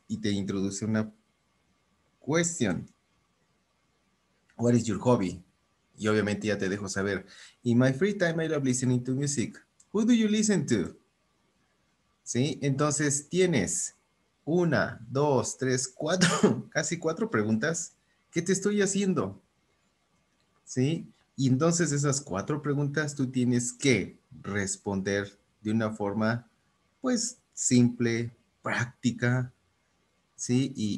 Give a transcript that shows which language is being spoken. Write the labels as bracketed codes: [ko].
[es] Y te introduce una cuestión. [en] What is your hobby? [es] Y obviamente ya te dejo saber. [en] In my free time, I love listening to music. Who do you listen to? ¿Sí? [es] Entonces tienes una, dos, tres, cuatro, casi cuatro preguntas. ¿Qué te estoy haciendo? ¿Sí? Y entonces esas cuatro preguntas tú tienes que responder de una forma, pues, simple, práctica, ¿sí?